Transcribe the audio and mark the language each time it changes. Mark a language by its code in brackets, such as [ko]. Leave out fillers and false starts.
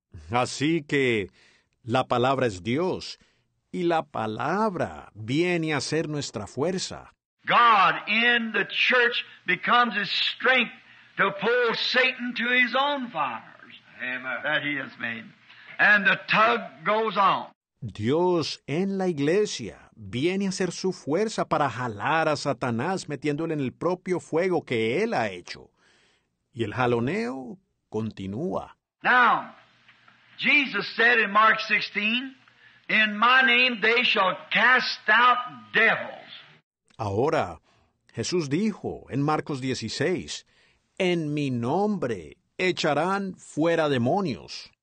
[es] Así que, la palabra es Dios, y la palabra viene a ser nuestra fuerza. [en] God in the church becomes his strength to pull Satan to his own fires. Amen. That he has made. And the tug goes on. [es] Dios en la iglesia viene a ser su fuerza para jalar a Satanás metiéndole en el propio fuego que él ha hecho. Y el jaloneo continúa. [en] Now, Jesus said in Mark 16, "In my name they shall cast out devils." [es] Ahora, Jesús dijo en Marcos 16, "En mi nombre echarán fuera demonios."